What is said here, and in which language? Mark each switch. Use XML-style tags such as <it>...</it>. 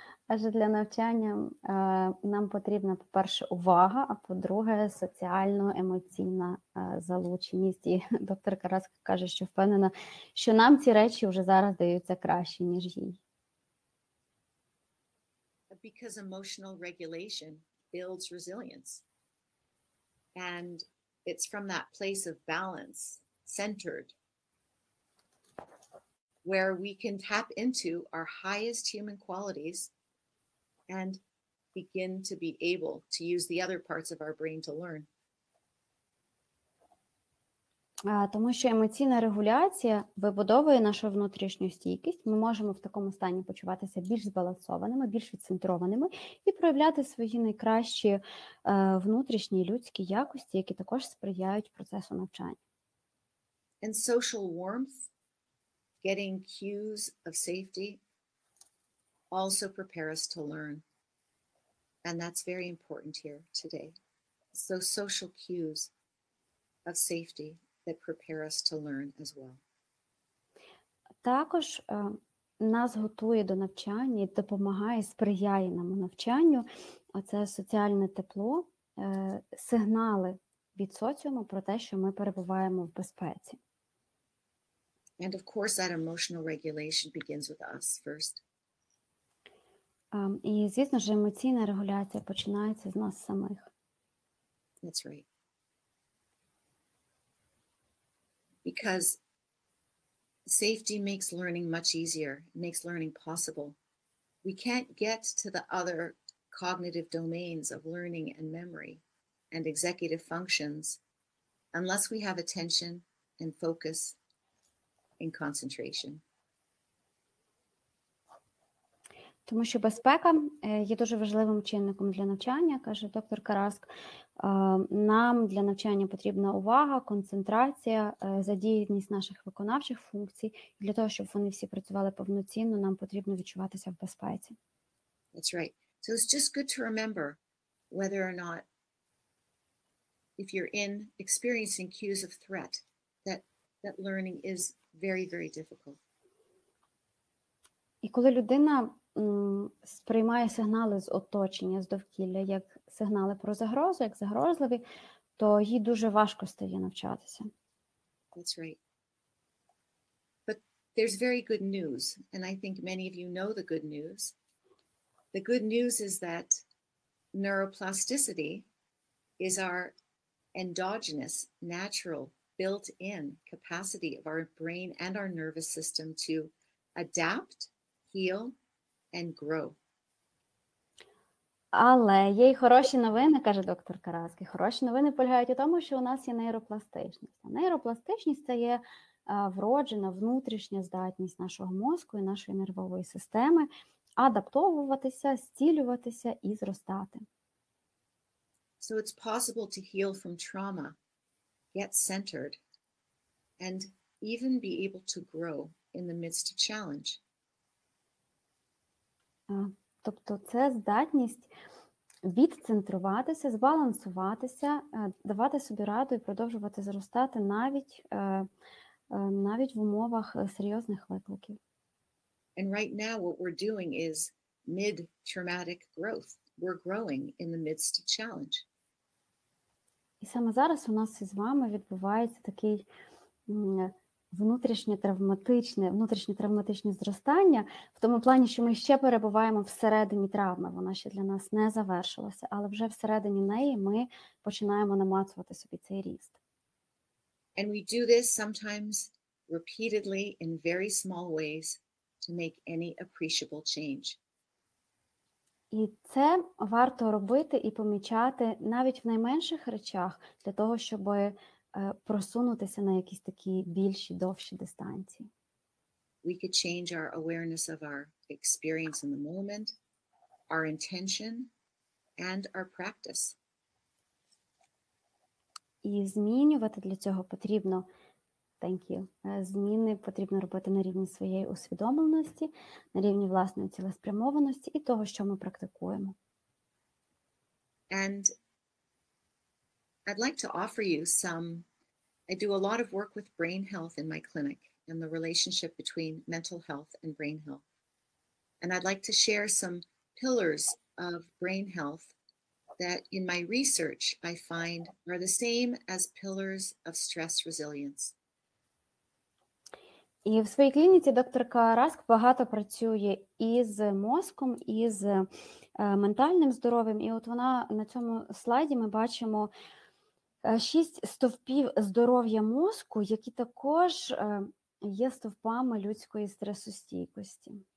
<uk>Адже для навчання нам потрібна, по-перше, увага, а по-друге, соціально-емоційна залученість. І доктор Караск каже, що впевнена, що нам ці речі вже зараз даються краще, ніж їй.</uk> <en>Because emotional regulation builds resilience. And it's from that place of balance, centered, where we can tap into our highest human qualities and begin to be able to use the other parts of our brain to learn.</en> <uk>Тому що емоційна регуляція вибудовує нашу внутрішню стійкість. Ми можемо в такому стані почуватися більш збалансованими, більш відцентрованими і проявляти свої найкращі внутрішні людські якості, які також сприяють процесу навчання.</uk> <en>And social warmth, getting cues of safety, also prepare us to learn. And that's very important here today. So social cues of safety that prepare us to learn as well.</en> <uk>Також нас готує до навчання, допомагає, сприяє нам у навчанню. Оце соціальне тепло, сигнали від соціуму про те, що ми перебуваємо в безпеці.</uk> <en>And of course that emotional regulation begins with us first.</en> <uk>І, звісно ж, емоційна регуляція починається з нас самих.</uk> <en>That's right. Because safety makes learning much easier, makes learning possible. We can't get to the other cognitive domains of learning and memory and executive functions unless we have attention and focus and concentration.</en> <uk>Тому що безпека є дуже важливим чинником для навчання, каже доктор Караск. Нам для навчання потрібна увага, концентрація, задіяність наших виконавчих функцій. І для того, щоб вони всі працювали повноцінно, нам потрібно відчуватися в безпеці.</uk> <en>That's right. So it's just good to remember whether or not if you're in experiencing cues of threat, that learning is very, very difficult.</en> <uk>І коли людина сприймає сигнали з оточення, з довкілля, як сигнали про загрозу, як загрозливі, то їй дуже важко стає навчатися.</uk> <en>That's right. But there's very good news, and I think many of you know the good news. The good news is that neuroplasticity is our endogenous, natural, built-in capacity of our brain and our nervous system to adapt, heal, and grow.</en> <uk>Але є й хороші новини, каже доктор Караски. Хороші новини полягають у тому, що у нас є нейропластичність. А нейропластичність – це є вроджена внутрішня здатність нашого мозку і нашої нервової системи адаптовуватися, зцілюватися і зростати.</uk> <en>So it's possible to heal from trauma, get centered, and even be able to grow – in the midst of challenge.</en> <uk>Тобто це здатність відцентруватися, збалансуватися, давати собі раду і продовжувати зростати навіть в умовах серйозних викликів.</uk> <en>And right now what we're doing is mid-traumatic growth. We're growing in the midst of challenge.</en> <uk>І саме зараз у нас із вами відбувається такий внутрішнє травматичне зростання, в тому плані, що ми ще перебуваємо всередині травми, вона ще для нас не завершилася, але вже всередині неї ми починаємо намацувати собі цей ріст.</uk> <en>And we do this sometimes repeatedly in very small ways to make any appreciable change.</en> <uk>І це варто робити і помічати навіть в найменших речах для того, щоб просунутися на якісь такі більші, довші дистанції.</uk> <en>We could change our awareness of our experience in the moment, our intention, and our practice.</en> <uk>І змінювати для цього потрібно,</uk> <en>thank you,</en> <uk>зміни потрібно робити на рівні своєї усвідомленості, на рівні власної цілеспрямованості і того, що ми практикуємо.</uk> <en>And I'd like to offer you some, I do a lot of work with brain health in my clinic and the relationship between mental health and brain health. And I'd like to share some pillars of brain health that in my research I find are the same as pillars of stress resilience.</en> <uk>І в своїй клініці докторка Раск багато працює із мозком, із ментальним здоров'ям. І от вона на цьому слайді ми бачимо 6 стовпів здоров'я мозку, які також є стовпами людської стресостійкості.</uk>